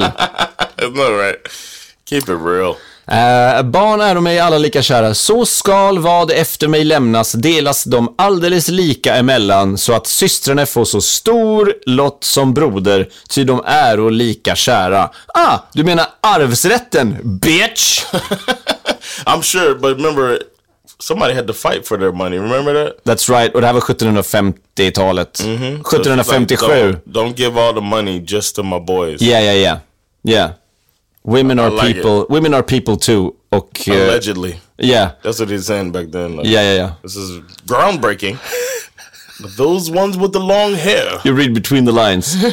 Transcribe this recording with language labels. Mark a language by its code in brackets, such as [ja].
[en] It's not right. Keep it real. [sv] Barn är de mig alla lika kära. Så skal vad efter mig lämnas delas de alldeles lika emellan, så att systrarna får så stor lott som broder, ty de är och lika kära. Ah, du menar arvsrätten, bitch. [en] I'm sure, but remember, somebody had to fight for their money, remember that? That's right, [sv] och det här var 1750-talet. Mm-hmm. [en] 1757. So don't give all the money just to my boys. Yeah. Women are like people. It. Women are people too. [sv] Och, [en] allegedly. Yeah. That's what he's saying back then. Like, yeah. This is groundbreaking. But those ones with the long hair. You read between the lines.